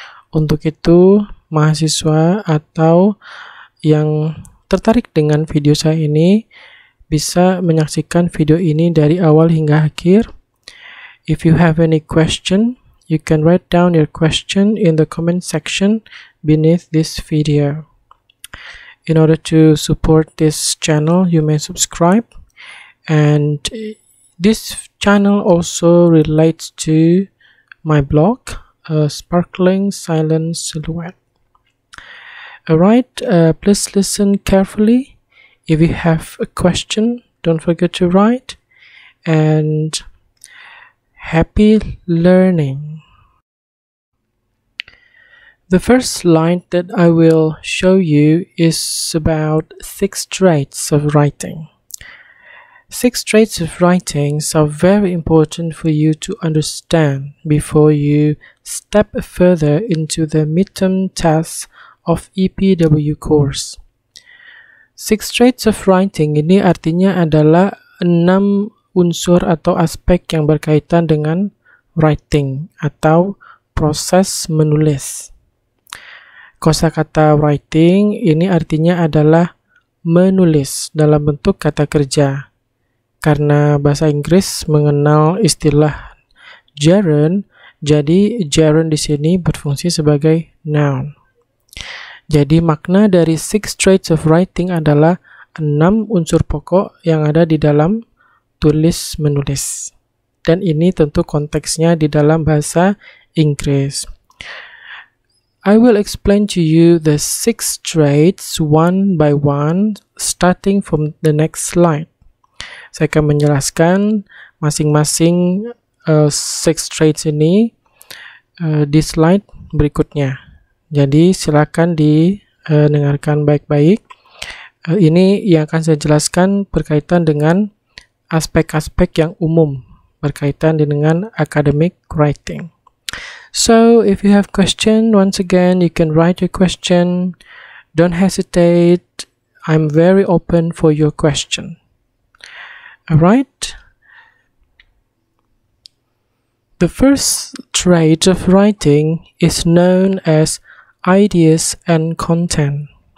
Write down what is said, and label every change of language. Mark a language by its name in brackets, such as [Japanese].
[Indonesian] Untuk itu, mahasiswa atau yang tertarik dengan video saya ini bisa menyaksikan video ini dari awal hingga akhir. [English] If you have any question, you can write down your question in the comment section beneath this video. In order to support this channel, you may subscribe. And this channel also relates to my blog, A Sparkling Silent Silhouette. Alright, please listen carefully. If you have a question, don't forget to write. And happy learning! The first slide that I will show you is about 6 traits of writing. 6 traits of writing are very important for you to understand before you step further into the midterm test of EPW course. [Indonesian] 6 traits of writing ini artinya adalah 6 unsur atau aspek yang berkaitan dengan writing atau proses menulis. Kosakata writing ini artinya adalah menulis dalam bentuk kata kerja. Karena bahasa Inggris mengenal istilah gerund, jadi gerund di sini berfungsi sebagai noun. Jadi, makna dari 6 traits of writing adalah 6 unsur pokok yang ada di dalam tulis-menulis. Dan ini tentu konteksnya di dalam bahasa Inggris. [English] I will explain to you the 6 traits one by one, starting from the next slide. [Indonesian] Saya akan menjelaskan masing-masing 6 traits ini di slide berikutnya. Jadi, silakan didengarkan baik-baik. Ini yang akan saya jelaskan berkaitan dengan aspek-aspek yang umum berkaitan dengan academic writing. [English] So, if you have question, once again, you can write your question. Don't hesitate. I'm very open for your question. Alright? The first trait of writing is known as ideas and content.